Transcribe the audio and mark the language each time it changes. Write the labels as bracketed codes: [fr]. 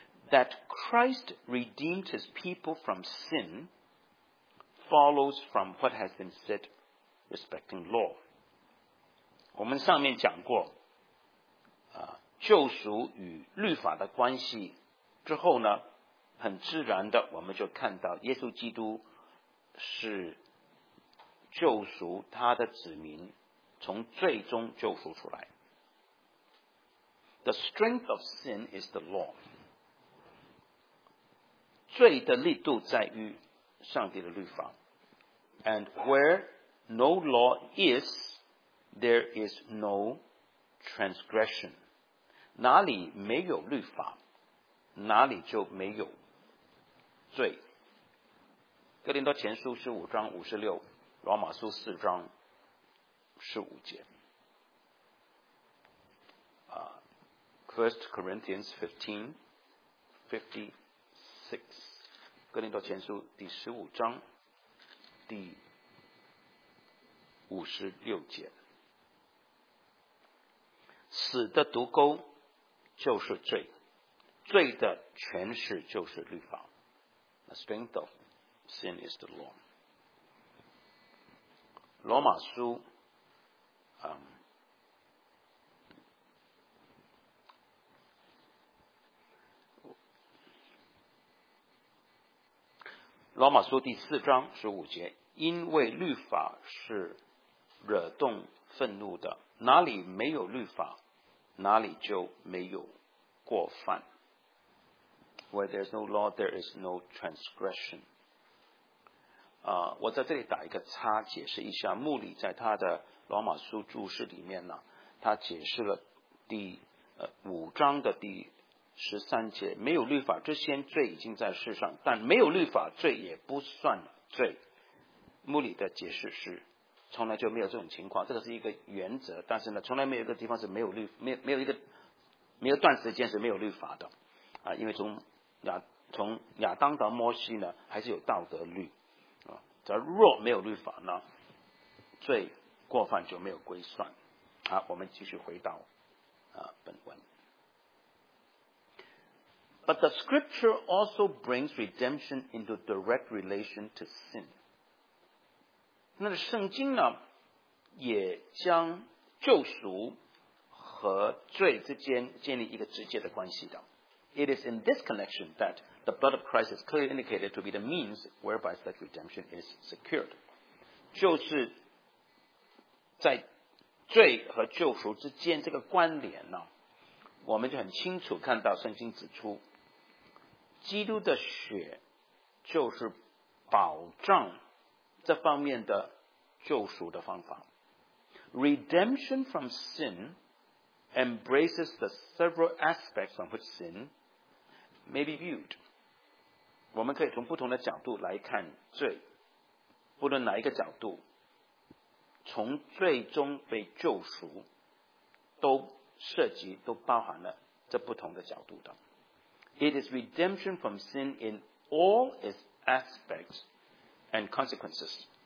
[en] That Christ redeemed his people from sin follows from what has been said respecting law. [zh] 我们上面讲过救赎与律法的关系之后呢，很自然的我们就看到耶稣基督是救赎他的子民从罪中救赎出来。 [en] The strength of sin is the law. [zh] 罪的力度在于上帝的律法。 [en] And where no law is, there is no transgression. [zh] 哪里没有律法，哪里就没有罪。哥林多前书十五章五十六，罗马书四章十五节。 First Corinthians 15:56，哥林多前书第十五章第五十六节，死的毒钩。就是罪，罪的诠释就是律法。 [en] The strength of sin is the law. [zh] 罗马书罗马书第四章十五节，因为律法是惹动愤怒的，哪里没有律法，哪里就没有过犯。 [en] Where there is no law, there is no transgression. [zh] 我在这里打一个叉，解释一下，穆里在他的罗马书注释里面呢，他解释了第五章的第十三节，没有律法之前罪已经在世上，但没有律法罪也不算罪。穆里的解释是从来就没有这种情况，这个是一个原则，但是呢，从来没有一个地方是没有律，没有一个没有段时间是没有律法的啊，因为从亚当到摩西呢，还是有道德律啊。只要若没有律法呢，罪过犯就没有归算。好，我们继续回到本文。 [en] But the scripture also brings redemption into direct relation to sin. [zh] 那圣经呢，也将救赎和罪之间建立一个直接的关系的。 [en] It is in this connection that the blood of Christ is clearly indicated to be the means whereby such redemption is secured. [zh] 就是在罪和救赎之间这个关联呢，我们就很清楚看到圣经指出，基督的血就是保障这方面的救赎的方法。 [en] Redemption from sin embraces the several aspects on which sin may be viewed. [zh] 我们可以从不同的角度来看罪，不论哪一个角度，从罪中被救赎都涉及，都包含了这不同的角度的。 [en] It is redemption from sin in all its aspects and consequences.